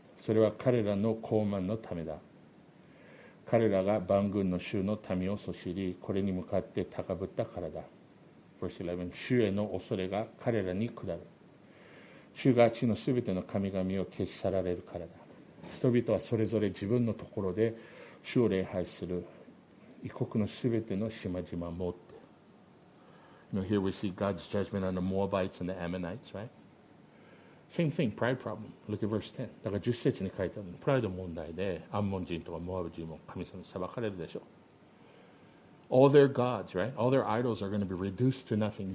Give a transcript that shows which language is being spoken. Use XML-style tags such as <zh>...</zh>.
<ja>それは彼らの高慢のためだ。彼らが万軍の衆の民をそしり、これに向かって高ぶったからだ。</ja> <en>Verse 11、</en> <ja>主への恐れが彼らに下る。主が地のすべての神々を消し去られるからだ。人々はそれぞれ自分のところで主を礼拝する。異国のすべての島々持って。</ja> <en>You know, here we see God's judgment on the Moabites and the Ammonites, right? Same thing, pride problem. Look at verse 10.</en> <ja>だから10節に書いてあるプライド問題で、アンモン人とかモアブ人も神様に裁かれるでしょ。</ja> <en>All their gods, right? All their idols are going to be reduced to nothing.</en>